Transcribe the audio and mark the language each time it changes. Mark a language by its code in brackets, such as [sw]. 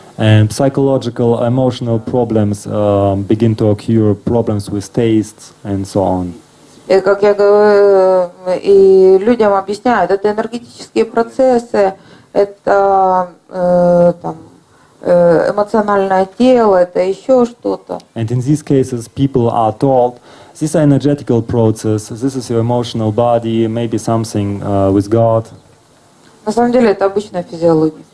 [en] And psychological, emotional problems begin to occur, problems with tastes and so on. [ru] И как я говорю, и людям объясняют, это энергетические процессы, это там эмоциональное тело, это еще что-то. [en] And in these cases, people are told, this is energetical process, this is your emotional body, maybe something with God. [ru] На самом деле, это обычная физиология.